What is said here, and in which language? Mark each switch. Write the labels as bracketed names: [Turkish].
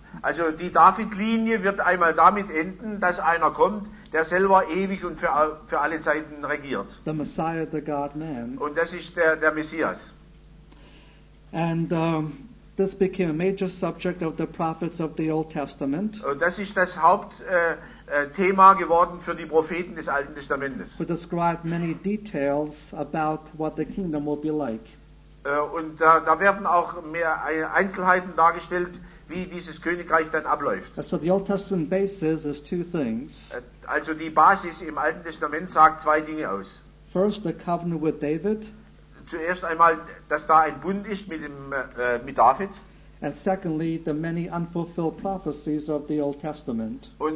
[German] Also die David-Linie wird einmal damit enden, dass einer kommt, der selber ewig und für alle Zeiten regiert. [English] The Messiah, the God-Man. [German] Und das ist der Messias. [English] And this became a major subject of the prophets of the Old Testament. [German] Und das ist das Hauptthema geworden für die Propheten des Alten Testamentes. [English] Who described many details about what the kingdom will be like. [German] Und da werden auch mehr Einzelheiten dargestellt, wie dieses Königreich dann abläuft. [English] So the Old Testament basis is two things. [German] Also die Basis im Alten Testament sagt zwei Dinge aus. [English] First, the covenant with David. [German] Zuerst einmal, dass da ein Bund ist mit David. [English] And secondly, the many unfulfilled prophecies of the Old Testament.